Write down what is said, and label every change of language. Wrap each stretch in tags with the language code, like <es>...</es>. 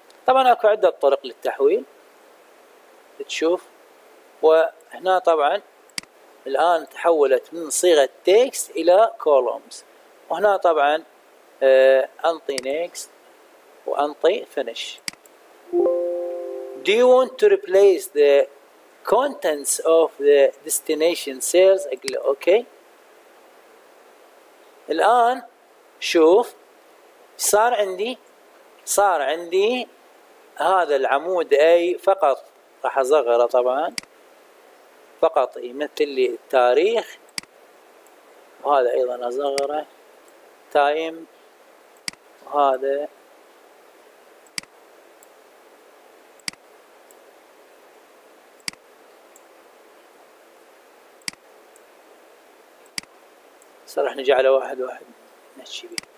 <ar>طبعا اكو عده طرق للتحويل تشوف. وهنا طبعا الان تحولت من صيغه تكست الى كولومز. وهنا طبعا انطي نيكست وانطي فينيش.</ar> <en>Do you want to replace the contents of the destination cells? Okay.</en> <ar>الآن شوف صار عندي هذا العمود أي فقط راح أصغره طبعا فقط يمثل لي التاريخ وهذا أيضا أصغره time وهذا صراحة نجعله واحد واحد نحكي به.</ar>